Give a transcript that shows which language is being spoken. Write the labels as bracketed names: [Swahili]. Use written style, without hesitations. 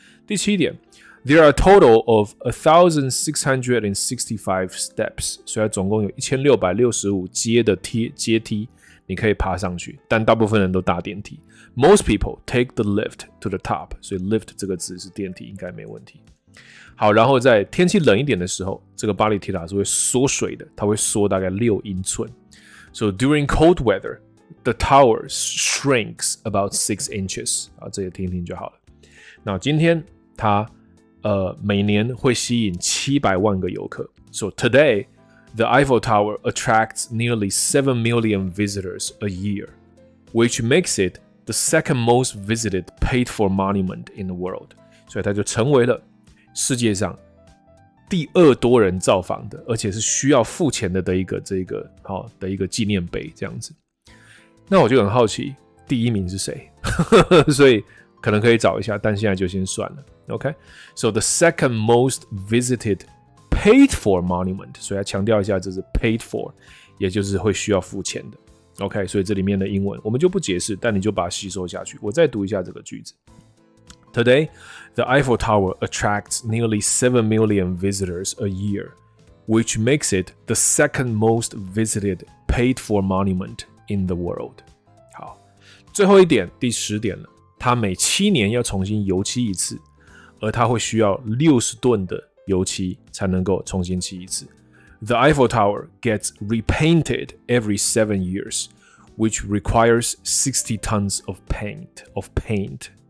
[Chinese] 第七点， [English] there are a total of 1,665 steps， [Chinese] 所以总共有1665阶的阶梯你可以爬上去，但大部分人都搭电梯。 [English] Most people take the lift to the top， [Chinese] 所以 lift 这个字是电梯，应该没问题。好，然后在天气冷一点的时候，这个巴黎铁塔是会缩水的，它会缩大概6英寸。 [English] So during cold weather, the tower shrinks about 6 inches。 [Chinese] 啊，这些听听就好了。那今天它每年会吸引700万个游客。 [English] So today, the Eiffel Tower attracts nearly 7 million visitors a year, which makes it the second most visited paid-for monument in the world. [Chinese] 所以它就成为了世界上第二多人造访的，而且是需要付钱的的一个纪念碑这样子。那我就很好奇，第一名是谁？所以可能可以找一下，但现在就先算了。 OK， [English] so the second most visited paid for monument， [Chinese] 所以要强调一下，这是 paid for， 也就是会需要付钱的。 OK， 所以这里面的英文我们就不解释，但你就把它吸收下去。我再读一下这个句子。 [English] Today, the Eiffel Tower attracts nearly 7 million visitors a year, which makes it the second most visited paid-for monument in the world. [Chinese] 好，最后一点，第十点了。它每七年要重新油漆一次，而它会需要60吨的油漆才能够重新漆一次。 [English] The Eiffel Tower gets repainted every 7 years, which requires 60 tons of paint.